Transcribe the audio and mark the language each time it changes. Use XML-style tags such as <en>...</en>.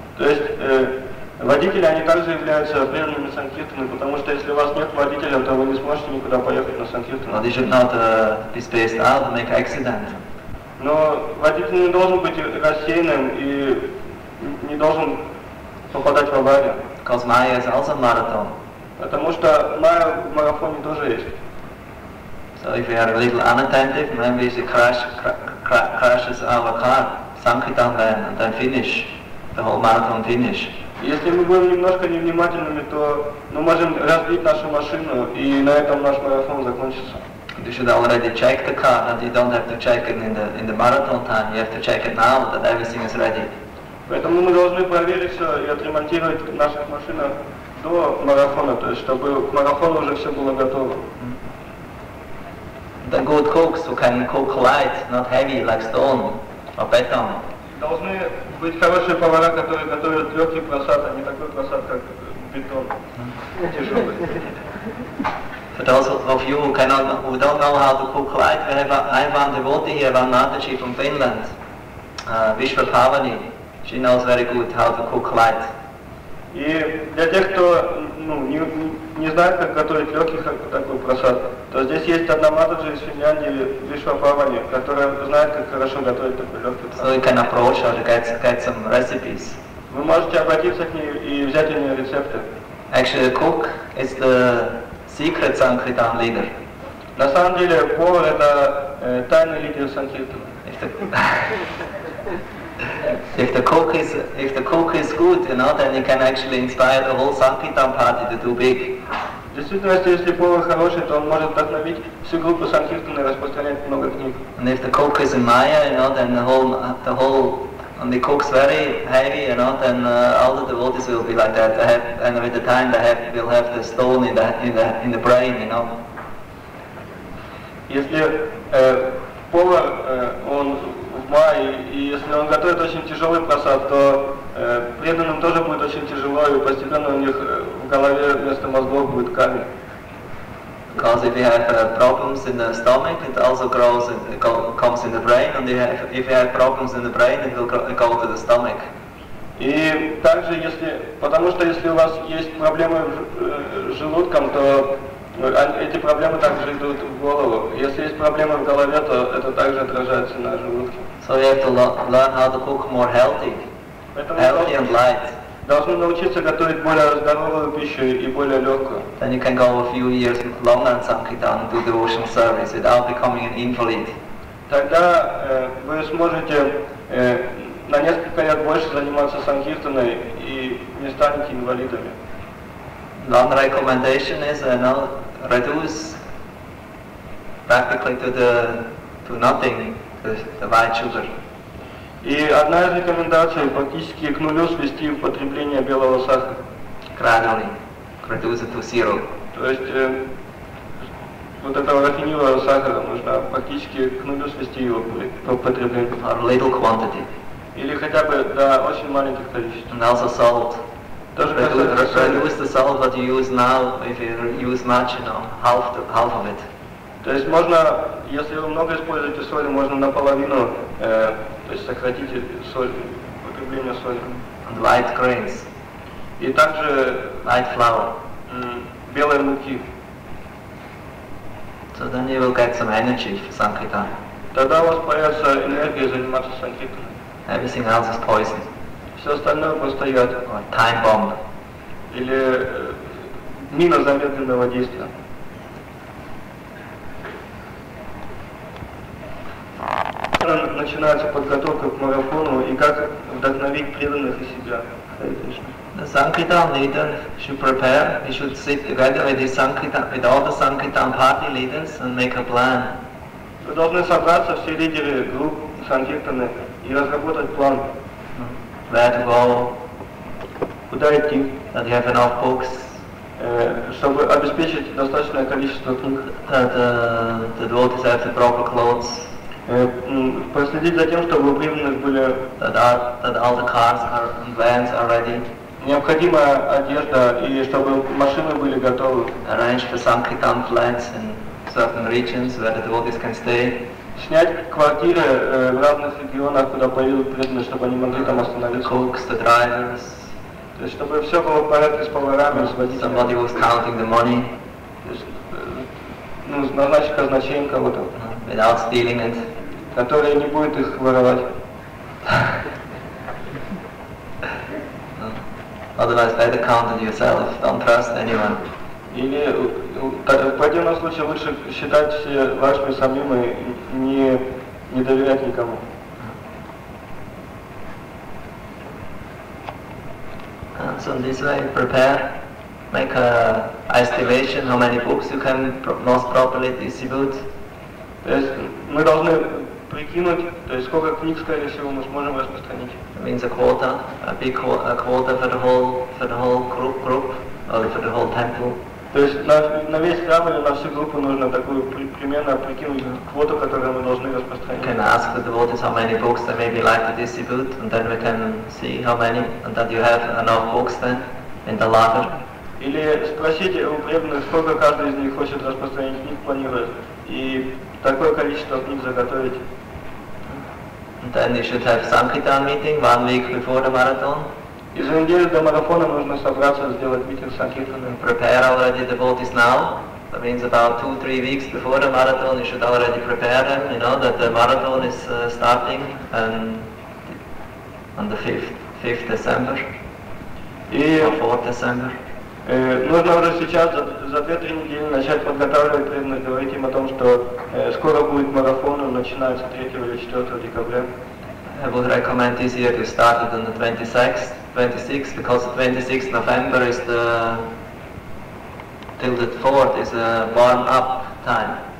<ru>То есть водители, они также являются преданными санкиртами, потому что если у вас нет водителя, то вы не сможете никуда поехать на санкиртан.</ru> <en>But you should not be spaced out and make accident.</en> <ru>Но водитель не должен быть рассеянным и не должен попадать в аварию.</ru> <en>Because Maya is also marathon.</en> <ru>Потому что Maya в марафоне тоже есть.</ru> <en>So if you are a little unattentive, maybe she crashes our car, sankirtan van, and then finish, the whole marathon finish.</en> <ru>Если мы будем немножко невнимательными, то мы можем разбить нашу машину, и на этом наш марафон закончится.</ru> <en>You should already check the car, and you don't have to check it in the marathon time. You have to check it now, that everything is ready.</en> <ru>Поэтому мы должны проверить все и отремонтировать наши машины до марафона, то есть чтобы к марафону уже все было готово.</ru> <en>The good cooks who can cook light, not heavy like stone or beton.</en> <ru>Должны быть хорошие повара, которые готовят легкий просад, а не такой просад, как бетон, тяжелый.</ru> <en>For those of you who don't know how to cook light, I have one devotee here, one Mataji from Finland, Vishwa Pavani. She knows very good how to cook light.</en> <ru>И для тех, кто не знает, как готовить легкий такой просад, то здесь есть одна Мададжи из Финляндии, Вишва Павани, которая знает, как хорошо готовить такой легкий просад.</ru> <en>So you can approach her, get some recipes.</en> <ru>Вы можете обратиться к ней и взять у нее рецепты.</ru> <en>Actually, the cook is the secret sankirtan leader.</en> <ru>На самом деле, повар — это тайный лидер санкиртана.</ru> <en>If the cook is good, you know, then he can actually inspire the whole sankirtan party to do big.</en> <ru>Действительно, если повар хороший, то он может вдохновить всю группу санкиртана и распространять много книг.</ru> <en>And if the cook is in Maya, you know, then the cook's very heavy, you know, then all the devotees will be like that. And with the time, they will have the stone in the brain, you know.</en> <ru>Если повар он и если он готовит очень тяжелый просад, то преданным тоже будет очень тяжело, и постепенно у них в голове вместо мозгов будет камень.</ru> <en>Because if you have problems in the stomach, it also grows and comes in the brain, and if you have problems in the brain, it will go to the stomach.</en> <ru>И также, если у вас есть проблемы с желудком, то эти проблемы также идут в голову. Если есть проблемы в голове, то это также отражается на желудке.</ru> <en>So you have to learn how to cook more healthy and light.</en> <ru>Должны научиться готовить более здоровую пищу и более легкую.</ru> <en>Then you can go a few years longer in sankirtan and do devotional service without becoming an invalid.</en> <ru>Тогда вы сможете на несколько лет больше заниматься санкиртаной и не станете инвалидами.</ru> <en>One recommendation is, reduce practically to nothing the white sugar.</en> <ru>И одна из рекомендаций – практически к нулю свести употребление белого сахара.</ru> <en>Gradually, reduce it to zero.</en> <ru>То есть вот этого рафинированного сахара нужно практически к нулю свести его употребление.</ru> <en>Or little quantity.</en> <ru>Или хотя бы до очень маленьких количеств.</ru> <en>And also salt. Reduce the salt that you use now, if you use much, half of it.</en> <ru>То есть можно, если вы много используете соли, можно наполовину, то есть сократите соль, употребление соли.</ru> <en>And white grains.</en> <ru>И также</ru> <en>white flour.</en> <ru>Белой муки.</ru> <en>So then you will get some energy for sankirtan.</en> <ru>Тогда у вас появится энергия заниматься санкиртаной.</ru> <en>Everything else is poison.</en> <ru>Все остальное просто яд.</ru> <en>Time bomb.</en> <ru>Или мина замедленного действия. Начинается подготовка к марафону и как вдохновить преданных и себя.</ru> <en>The sankirtan leader should prepare. He should sit together with all the sankirtan party leaders and make a plan.</en> <ru>Вы должны собраться все лидеры групп санкиртаны и разработать план.</ru> <en>Where to go?</en> <ru>Куда идти?</ru> <en>That you have enough books.</en> <ru>чтобы обеспечить достаточное количество</ru> <en>the devotees have the proper clothes.</en> <ru>Проследить за тем, чтобы у преданных были</ru> <en>that all the cars are vans are ready.</en> <ru>Необходимая одежда и чтобы машины были готовы.</ru> <en>Arrange for some kirtan flats in certain regions where the devotees can stay.</en> <ru>Снять квартиры в разных регионах, куда поедут преданные, чтобы они могли там остановиться.</ru> <en>Cooks, the drivers.</en> <ru>То есть, чтобы все было в порядке с поварами, с водителями.</ru> <en>Somebody was counting the money.</en> <ru>Ну, назначить казначеем кого-то.</ru> <en>Without stealing it.</en> <ru>Который не будет их воровать.</ru> <en>Otherwise, better count it yourself. Don't trust anyone.</en> <ru>Или в противном случае лучше считать все вашими самим и не доверять никому.</ru> <en>So in this way, prepare, make a estimation how many books you can most properly distribute.</en> <ru>То есть мы должны прикинуть, то есть сколько книг, скорее всего, мы сможем распространить.</ru> <en>It means a quota, a quota for the whole group, or for the whole temple.</en> <ru>То есть на весь храм или на всю группу нужно такую примерно прикинуть квоту, которую мы должны распространить.</ru> <en>Can ask the devotees how many books they maybe like to distribute, and then we can see how many, and that you have enough books then in the larger.</en> <ru>Или спросите у преданных, сколько каждый из них хочет распространить книг, планирует, и такое количество книг заготовить.</ru> <en>And then you should have Sankirtan meeting 1 week before the marathon.</en> <ru>И за неделю до марафона нужно собраться и сделать митинг санкиртаны.</ru> <en>Prepare already the devotees now. That means about 2-3 weeks before the marathon you should already prepare them, you know, that the marathon is starting on the 5th December. Or 4th December.</en> <ru>Нужно уже сейчас, за 2-3 недели, начать подготавливать преданных, говорить им о том, что скоро будет марафон, он начинается 3 или 4 декабря.</ru> <en>I would recommend this year to start it on the 26th, because the 26th November is the till the 4th is a warm up time.</en>